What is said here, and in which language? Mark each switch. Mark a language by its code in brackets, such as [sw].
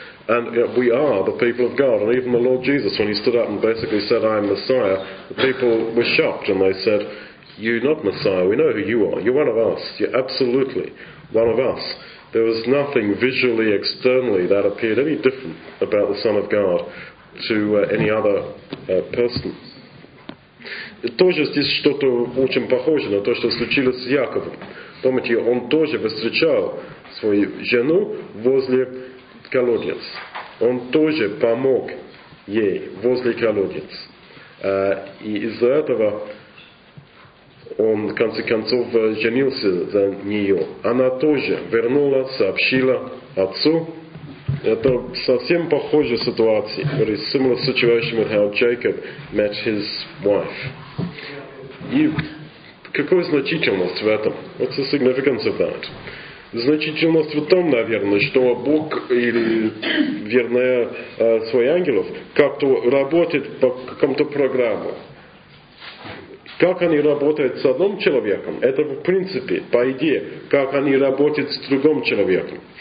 [en] And we are the people of God. And even the Lord Jesus, when he stood up and basically said, I am Messiah, the people were shocked and they said, you're not Messiah, we know who you are. You're one of us. You're absolutely one of us. There was nothing visually, externally that appeared any different about the Son of God to any other person. [ru] Тоже здесь что-то очень похоже на то, что случилось с Яковом. Помните, он тоже встречал свою жену возле колодец. Он тоже помог ей возле колодец. И из-за этого он, в конце концов, женился за нее. Она тоже вернула, сообщила отцу. Это совсем похожая ситуация. [en] Very similar situation with how Jacob met his wife. [ru] И какая значительность в этом? [en] What's the significance of that? [ru] Значительность в том, наверное, что Бог или, вернее, свой ангелов как-то работает по какому-то программу. Как они работают с одним человеком, это в принципе, по идее, как они работают с другим человеком.